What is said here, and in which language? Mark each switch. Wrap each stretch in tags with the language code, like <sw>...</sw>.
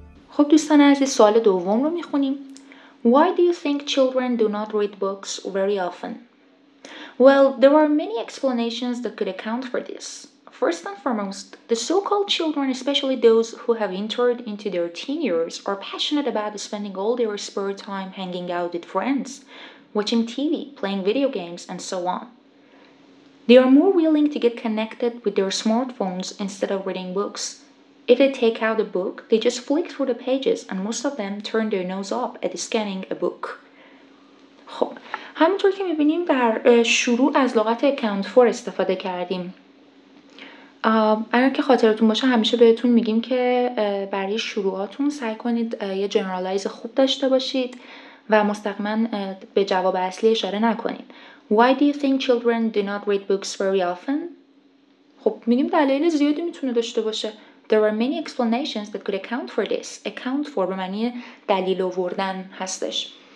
<fa>خب دوستان عزیز، سوال دوم رو میخونیم.</fa> <en>Why do you think children do not read books very often? Well, there are many explanations that could account for this. First and foremost, the so-called children, especially those who have entered into their teen years, are passionate about spending all their spare time hanging out with friends, watching TV, playing video games, and so on. They are more willing to get connected with their smartphones instead of reading books. If they take out a book, they just flick through the pages and most of them turn their nose up at scanning a book.</en> <fa>خب، همونطور که میبینیم در شروع از لغت account for استفاده کردیم. اگر که خاطرتون باشه همیشه بهتون میگیم که برای شروعاتون سعی کنید یه generalize خوب داشته باشید و مستقیما به جواب اصلی اشاره نکنید.</fa> <en>Why do you think children do not read books very often?</en> <fa>خب میگیم دلایل زیادی میتونه داشته باشه.</fa> <en>There are many explanations that could account for this.</en> <fa>Account for به معنی دلیل آوردن هستش.</fa>